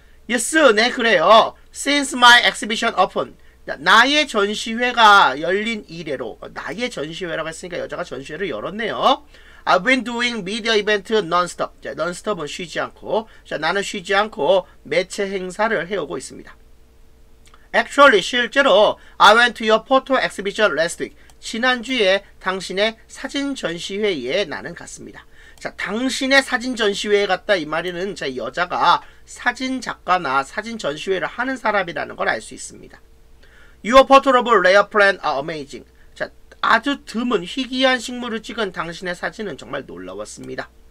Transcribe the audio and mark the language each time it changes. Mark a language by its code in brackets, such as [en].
[en] Yes, [ko] 네, 그래요. [en] Since my exhibition opened. [ko] 나의 전시회가 열린 이래로. 나의 전시회라고 했으니까 여자가 전시회를 열었네요. [en] I've been doing media event non-stop. non-stop은 [ko] 쉬지 않고. 나는 쉬지 않고 매체 행사를 해오고 있습니다. [en] Actually, [ko] 실제로 [en] I went to your photo exhibition last week. [ko] 지난주에 당신의 사진 전시회에 나는 갔습니다. 자, 당신의 사진 전시회에 갔다 이 말에는 자, 여자가 사진 작가나 사진 전시회를 하는 사람이라는 걸 알 수 있습니다. [en] Your portable rare plants are amazing. [ko] 자, 아주 드문 희귀한 식물을 찍은 당신의 사진은 정말 놀라웠습니다.